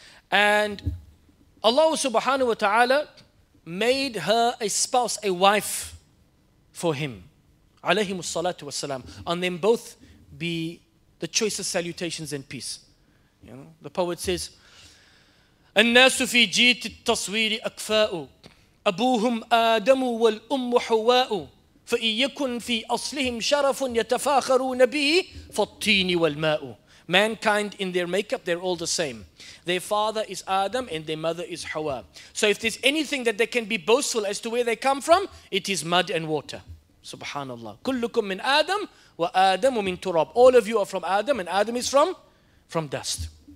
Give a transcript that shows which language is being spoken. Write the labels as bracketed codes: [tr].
[en] And Allah subhanahu wa ta'ala made her a spouse, a wife for him. Alayhi salatu wa salam. On them both be the choicest salutations and peace. You know, the poet says, [ar] An-nasu fi jit taswiri akfa'u. أبوهم آدم والأم حواء فإن يكن في أصلهم شرف يتفاخرون به فالطين والماء [en] Mankind in their makeup, they're all the same. Their father is Adam and their mother is Hawa. So if there's anything that they can be boastful as to where they come from, it is mud and water. Subhanallah. [ar] Kullukum min Adam wa Adam wa min turab. [en] All of you are from Adam, and Adam is from dust.